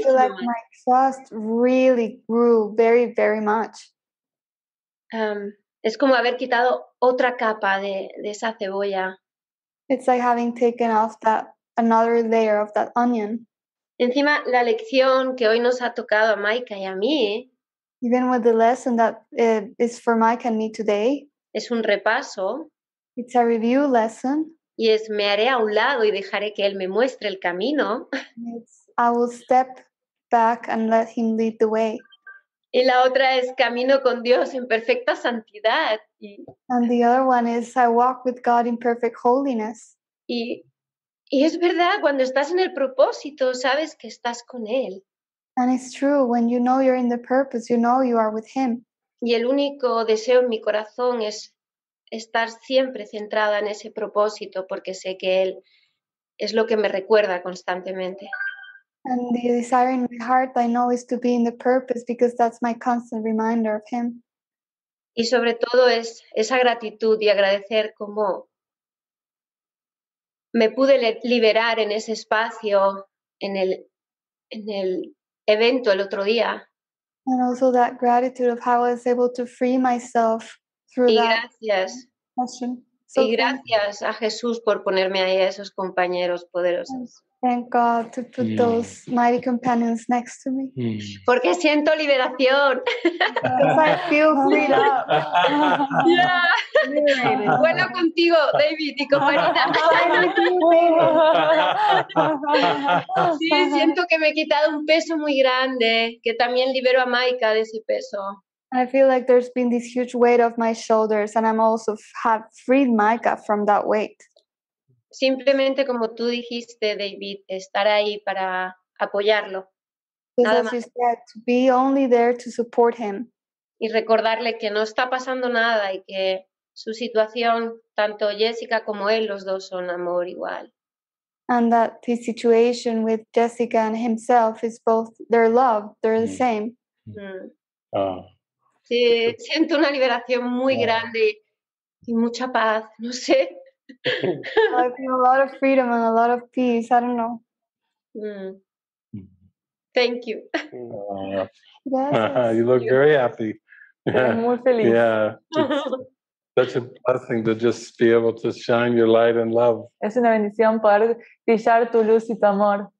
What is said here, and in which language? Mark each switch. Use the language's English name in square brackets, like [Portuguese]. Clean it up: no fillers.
[English] I feel like my trust really grew very, very much. [Spanish] Es como haber quitado otra capa de esa cebolla. [English] It's like having taken off that another layer of that onion. [Spanish] Encima, la lección que hoy nos ha tocado a Micah y a mí. [English] Even with the lesson that is for Micah and me today. [Spanish] Es un repaso. [English] It's a review lesson. [Spanish] Y es, me haré a un lado y dejaré que él me muestre el camino. [English] I will step back and let him lead the way. [Spanish] Y la otra es, camino con Dios en perfecta santidad. [English] And the other one is, I walk with God in perfect holiness. [Spanish] Y es verdad, cuando estás en el propósito, sabes que estás con él. [English] And it's true, when you know you're in the purpose, you know you are with him. [Spanish] Y el único deseo en mi corazón es estar siempre centrada en ese propósito, porque sé que él es lo que me recuerda constantemente. [English] And the desire in my heart I know is to be in the purpose, because that's my constant reminder of him. [Spanish] Y sobre todo es esa gratitud y agradecer cómo me pude liberar en ese espacio, en el evento el otro día. [English] And also that gratitude of how I was able to free myself through [Spanish] y [English] that [Spanish] gracias. [English] Question. [Spanish] So, y gracias a Jesús por ponerme ahí a esos compañeros poderosos. [English] Thank God to put those mighty companions next to me. [Spanish] Porque siento liberación. [English] Because I feel freed up. [Spanish] Yeah. Bueno contigo, David y compañera. Sí, siento que me he quitado un peso muy grande, que también libero a Maika de ese peso. [English] I feel like there's been this huge weight off my shoulders and I'm also have freed Maika from that weight. [Spanish] Simplemente como tú dijiste, David, estar ahí para apoyarlo. [English] Just as you said, to be only there to support him. [Spanish] Y recordarle que no está pasando nada y que su situación, tanto Jessica como él, los dos son amor igual. [English] And that the situation with Jessica and himself is both their love, they're the same. [Spanish] Sí, siento una liberación muy grande y mucha paz, no sé. [English] I feel a lot of freedom and a lot of peace, I don't know. Thank you. You look very happy. I'm [Spanish] muy feliz. [English] Yeah, such a blessing to just be able to shine your light and love. [Spanish] Es una bendición poder brillar tu luz y tu amor.